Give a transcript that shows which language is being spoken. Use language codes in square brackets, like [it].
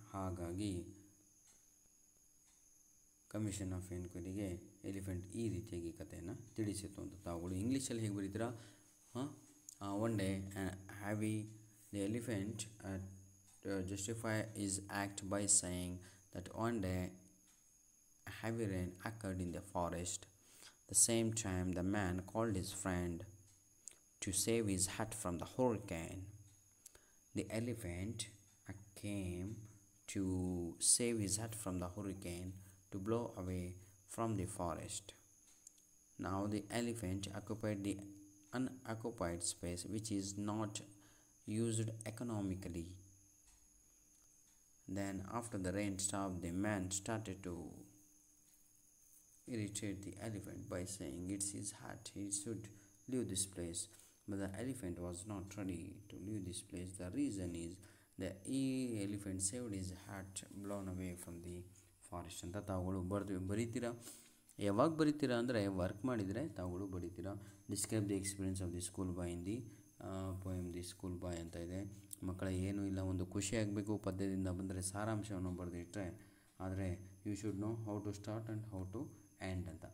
[kn] ಹಾಗಾಗಿ commission of ಎನ್ಕ್ವೈರಿಗೆ elephant ಈ ರೀತಿಯಾಗಿ ಕಥೆಯನ್ನು ತಿಳಿಸಿತ್ತು ಅಂತ ತಾವುಗಳು ಇಂಗ್ಲೀಷಲ್ಲಿ ಹೇಗೆ ಬರೀತೀರ. [en] ಹಾಂ, one day have ಈ the elephant justify his act by saying the that one day heavy rain occurred in the forest. The same time the man called his friend to save his hut from the hurricane. The elephant came to save his hut from the hurricane to blow away from the forest. Now the elephant occupied the unoccupied space which is not used economically. Then after the rain stopped, the man started to irritate the elephant by saying it's his hut, he should leave this place. But the elephant was not ready to leave this place. The reason is the elephant saved his hut blown away from the forest. [kn] And ತಾವುಗಳು ಬರೀತೀರಾ ಯಾವಾಗ ಬರೀತೀರಾ ಅಂದರೆ work ಮಾಡಿದರೆ ತಾವುಗಳು ಬರೀತೀರಾ. [en] describe the experience of the school boy in the poem the school boy [kn] ಅಂತ ಇದೆ. ಮಕ್ಕಳ ಏನೂ ಇಲ್ಲ, ಒಂದು ಖುಷಿಯಾಗಬೇಕು ಪದ್ಯದಿಂದ ಬಂದರೆ ಸಾರಾಂಶವನ್ನು ಬರೆದಿಟ್ಟರೆ. [en] ಆದರೆ you should know how to start and how to end ಅಂತ.